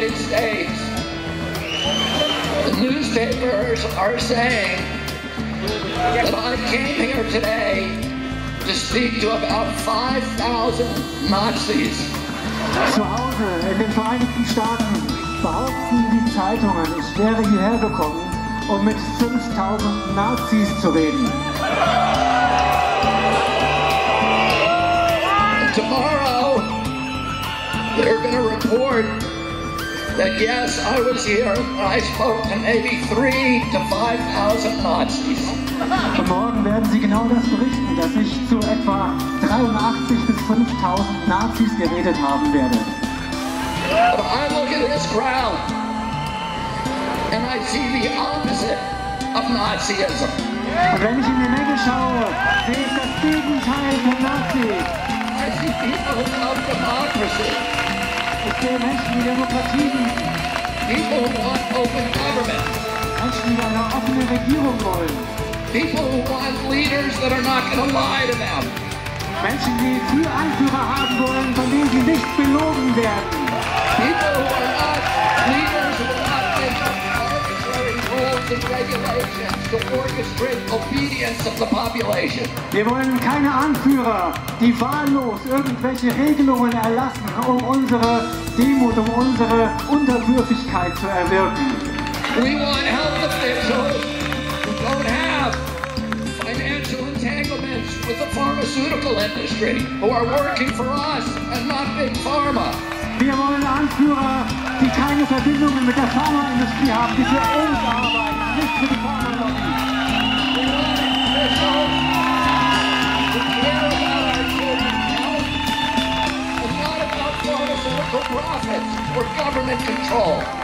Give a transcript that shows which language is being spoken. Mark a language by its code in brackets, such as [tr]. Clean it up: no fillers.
[en] The newspapers are saying that I came here today to speak to about 5,000 Nazis. [de] Zu Hause in den Vereinigten Staaten behaupten die Zeitungen, ich wäre hierher gekommen, um mit 5,000 Nazis zu reden. [en] Tomorrow they're going to report that yes, I was here, I spoke to maybe 3,000 to 5,000 Nazis. [de] Morgen werden Sie genau das berichten, dass ich zu etwa 83 bis 5,000 Nazis geredet haben werde. [en] But I look at this crowd, and I see the opposite of Nazism. [de] Und wenn ich in die Menge schaue, sehe ich das Gegenteil von Nazis. [en] I see people who love democracy. [de] Ich sehe Menschen, die Demokratie lieben. [en] People who want open government. [de] Menschen, die eine offene Regierung wollen. [en] People who want leaders that are not going to lie to them. [de] Menschen, die für Anführer haben wollen, von denen sie nicht belogen werden. [en] People who are not leaders who will not make arbitrary rules and regulations to orchestrate obedience of the population. [de] Wir wollen keine Anführer, die wahllos irgendwelche Regelungen erlassen, um unsere Demut, um unsere Unterwürfigkeit zu erwirken. [en] We want health officials who don't have financial entanglements with the pharmaceutical industry, who are working for us and not big pharma. [de] Wir wollen Anführer, die keine Verbindungen mit der Pharmaindustrie haben, die für uns arbeiten, nicht für die Pharma-Lobby.